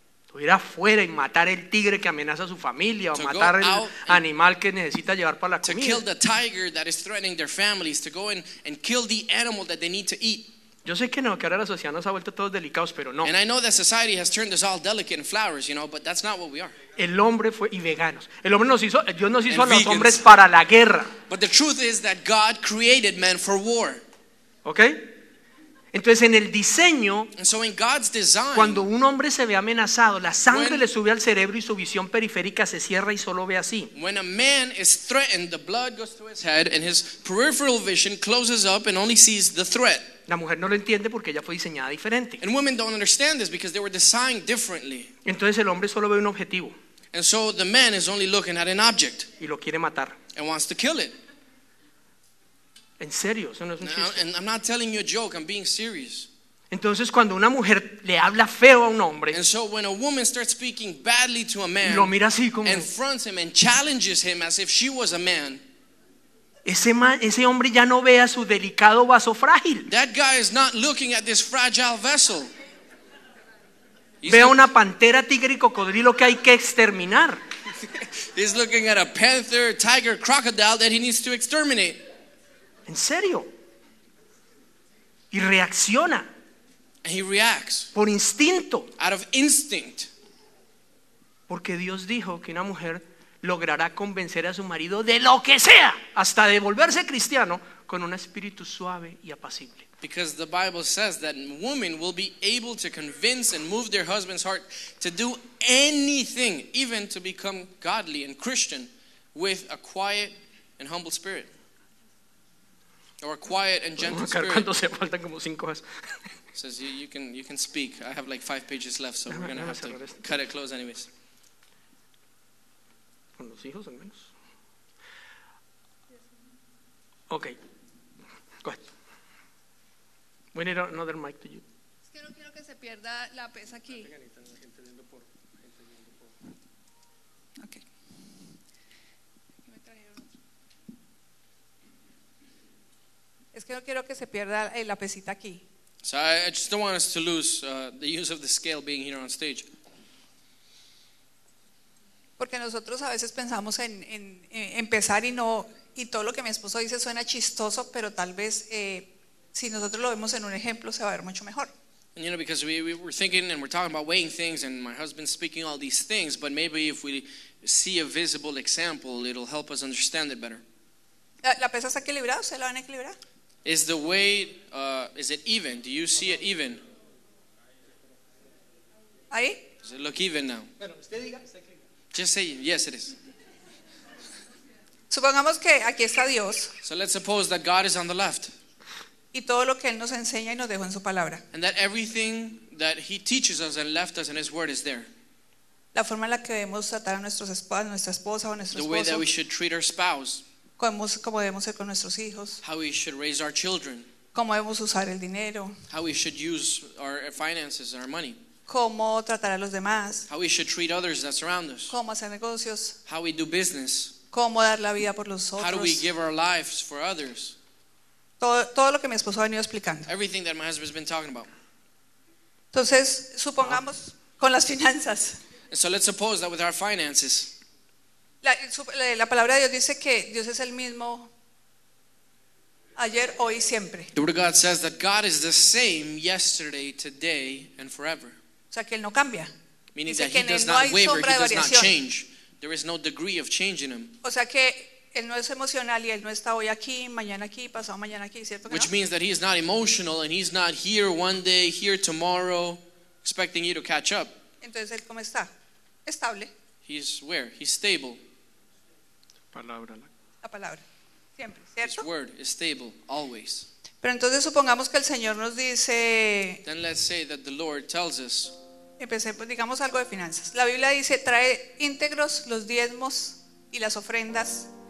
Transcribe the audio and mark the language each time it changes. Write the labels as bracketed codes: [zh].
[es] To ir afuera y matar el tigre que amenaza a su familia o matar el animal que necesita llevar para la comida. [en] To kill the tiger that is threatening their families, to go and kill the animal that they need to eat. [es] Yo sé que no, que ahora la sociedad nos ha vuelto todos delicados, pero no. [en] And I know that society has turned us all delicate and flowers, you know, but that's not what we are. [es] El hombre fue y veganos. El hombre nos hizo, Dios nos hizo a los hombres para la guerra. [en] But the truth is that God created men for war. [es] ¿Okay? Entonces en el diseño, [en] so in God's design, [es] cuando un hombre se ve amenazado, la sangre le sube al cerebro y su visión periférica se cierra y solo ve así. [en] When a man is threatened, the blood goes to his head and his peripheral vision closes up and only sees the threat. [es] La mujer no lo entiende porque ella fue diseñada diferente. [en] And women don't understand this because they were designed differently. [es] Entonces el hombre solo ve un objetivo. [en] And so the man is only looking at an object. [es] Y lo quiere matar. [en] And wants to kill it. [es] En serio, eso no es un chiste. [en] And I'm not telling you a joke, I'm being serious. [es] Entonces cuando una mujer le habla feo a un hombre, [en] and so when a woman starts speaking badly to a man, [es] lo mira así como, [en] and fronts him and challenges him as if she was a man, [es] ese hombre ya no ve a su delicado vaso frágil. [en] That guy is not looking at this fragile vessel. [es] Ve a una pantera, tigre y cocodrilo que hay que exterminar. [en] He's looking at a panther, tiger, crocodile that he needs to exterminate. [es] En serio. Y reacciona. [en] And he reacts. [es] Por instinto. [en] Out of instinct. [es] Porque Dios dijo que una mujer logrará convencer a su marido de lo que sea, hasta de volverse cristiano, con un espíritu suave y apacible. [en] Because the Bible says that women will be able to convince and move their husband's heart to do anything, even to become godly and Christian, with a quiet and humble spirit. Or a quiet and gentle spirit. [es] Se faltan como cinco. [en] Says you can speak. I have like 5 pages left, so we're going to have to cut it close anyways. [es] Con los hijos al menos. [en] Okay. Go ahead. We need another mic to you. [es] Es que no quiero que se pierda la pesa aquí. [en] Okay. [es] Es que no quiero que se pierda la pesita aquí. [en] So I just don't want us to lose the use of the scale being here on stage. [es] Porque nosotros a veces pensamos en empezar y no, y todo lo que mi esposo dice suena chistoso, pero tal vez si nosotros lo vemos en un ejemplo se va a ver mucho mejor. [en] And you know, because we were thinking and we're talking about weighing things, and my husband's speaking all these things, but maybe if we see a visible example, it'll help us understand it better. [es] ¿La pesa está equilibrada? ¿Usted la van a equilibrar? [en] Is the weight, is it even? Do you see it even? [es] ¿Ahí? [en] Does it look even now? Just say, yes, it is. [es] Supongamos que aquí está Dios. [en] So let's suppose that God is on the left. [es] Y todo lo que Él nos enseña y nos dejó en su palabra. [en] And that everything that He teaches us and left us in His word is there. [es] La forma en la que debemos tratar a nuestros esposos, nuestra esposa o nuestro esposo. [en] The way that we should treat our spouse. [es] Cómo debemos ser con nuestros hijos. [en] How we should raise our children. [es] Cómo debemos usar el dinero. [en] How we should use our finances and our money. [es] Cómo tratar a los demás. [en] How we should treat others that surround us. [es] Cómo hacer negocios. [en] How we do business. [es] Cómo dar la vida por los otros. [en] How do we give our lives for others? [es] Todo lo que mi esposo ha venido explicando. [en] Everything that my husband has been talking about. [es] Entonces, supongamos con las finanzas. [en] And so let's suppose that with our finances. [es] La palabra de Dios dice que Dios es el mismo ayer, hoy y siempre. [en] The word of God says that God is the same yesterday, today, and forever. [es] O sea, que Él no cambia. [en] Meaning dice that He does not waver, He does not change. There is no degree of change in Him. [es] O sea, que Él no es emocional y Él no está hoy aquí, mañana aquí, pasado mañana aquí, ¿cierto? [en] Which [es] no? [en] Means that He is not emotional and He's not here one day, here tomorrow, expecting you to catch up. [es] Entonces, ¿Él cómo está? Estable. [en] He's where? He's stable. [es] La palabra, siempre, ¿cierto? [en] His word is stable, always. [es] Pero entonces supongamos que el Señor nos dice. [en] Then let's say that the Lord tells us. [es] Empecemos, digamos algo de finanzas. La Biblia dice, trae íntegros los diezmos y las ofrendas